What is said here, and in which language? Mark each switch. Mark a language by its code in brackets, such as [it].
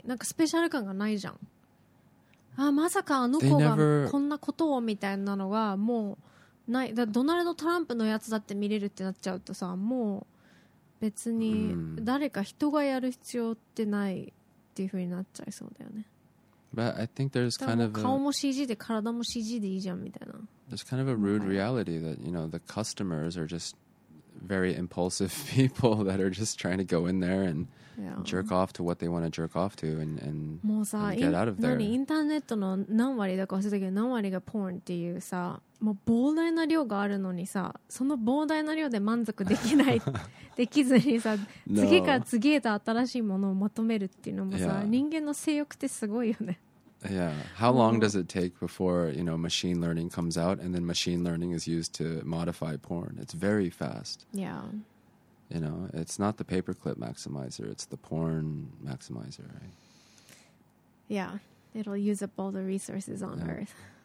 [ja] なんかスペシャル感がないじゃん。ああまさかあの子がこんなことをみたいなのがもうない。だドナルド・トランプのやつだって見れるってなっちゃうとさ、もう別に誰か人がやる必要ってないっていう風になっちゃいそうだよね。 [en] But I think there's kind of [ja] 顔も CG で体も CG でいいじゃんみたいな。 [en] There's kind of a rude reality that, you know, the customers are just very impulsive people that are just trying to go in there and jerk off to what they want to jerk off to and get out of there. [ja] インターネットの何割だか忘れたけど何割がポーンっていうさ、もう膨大な量があるのにさ、その膨大な量で満足できないできずにさ、次から次へと新しいものを求めるっていうのもさ、人間の性欲ってすごいよね。 [en] Yeah. How long does it take before, you know, machine learning comes out and then machine learning is used to modify porn? It's very fast. Yeah. You know, it's not the paperclip maximizer, it's the porn maximizer, right? Yeah. It'll use up all the resources on Earth.